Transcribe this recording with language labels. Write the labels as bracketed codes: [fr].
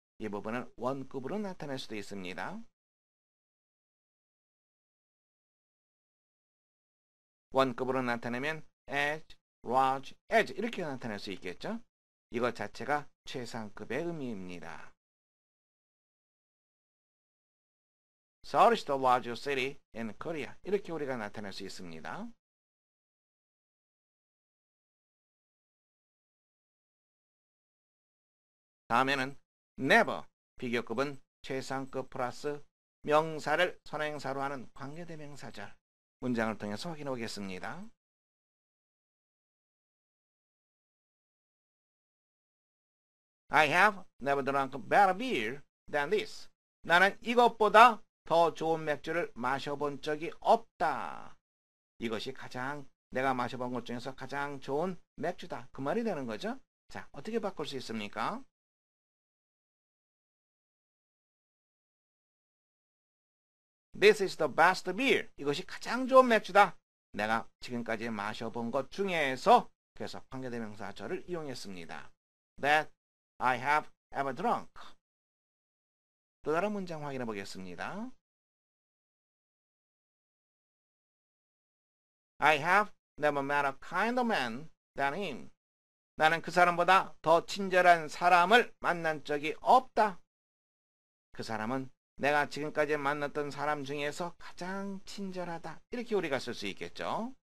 [ko] 이 부분은 원급으로 나타낼 수도 있습니다. 원급으로 나타내면 [en] as large as [ko] 이렇게 나타낼 수 있겠죠. 이것 자체가 최상급의 의미입니다. [en] Seoul is the largest city in Korea. [ko] 이렇게 우리가 나타낼 수 있습니다. 다음에는 never 비교급은 최상급 플러스 명사를 선행사로 하는 관계대명사절 문장을 통해서 확인해 보겠습니다. [en] I have never drunk better beer than this. [ko] 나는 이것보다 더 좋은 맥주를 마셔본 적이 없다. 이것이 가장 내가 마셔본 것 중에서 가장 좋은 맥주다. 그 말이 되는 거죠? 자, 어떻게 바꿀 수 있습니까? [en] This is the best beer. [ko] 이것이 가장 좋은 맥주다. 내가 지금까지 마셔본 것 중에서 그래서 관계대명사 저를 이용했습니다. [en] That I have ever drunk. [ko] 또 다른 문장 확인해 보겠습니다. [en] I have never met a kinder man than him. [ko] 나는 그 사람보다 더 친절한 사람을 만난 적이 없다. 그 사람은 내가 지금까지 만났던 사람 중에서 가장 친절하다. 이렇게 우리가 쓸 수 있겠죠.